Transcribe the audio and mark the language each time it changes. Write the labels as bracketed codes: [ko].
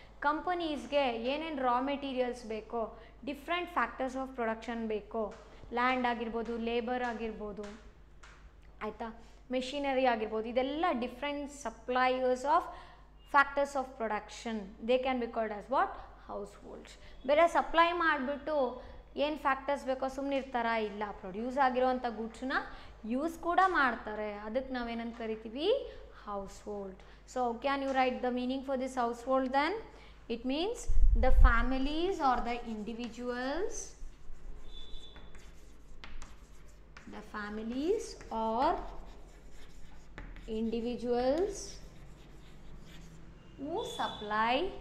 [en] Companies ge yenen raw materials beko, different factors of production beko, land agirbodu, labor agirbodu, aita machinery agirbodu, idella different suppliers of factors of production, they can be called as what? Households. [kn] Bere supply maadibittu ಏನು factors ಬೇಕೋ ಸುಮ್ಮನೆ ಇರ್ತಾರ? ಇಲ್ಲ, produce ಆಗಿರೋವಂಥ ಗೂಡ್ಸ್ನ use ಕೂಡ ಮಾಡ್ತಾರೆ, ಅದಕ್ಕೆ ನಾವೇನಂತ ಕರಿತೀವಿ house hold. [en] So can you write the meaning for this household then? It means the families are the individuals, the families are individuals who supply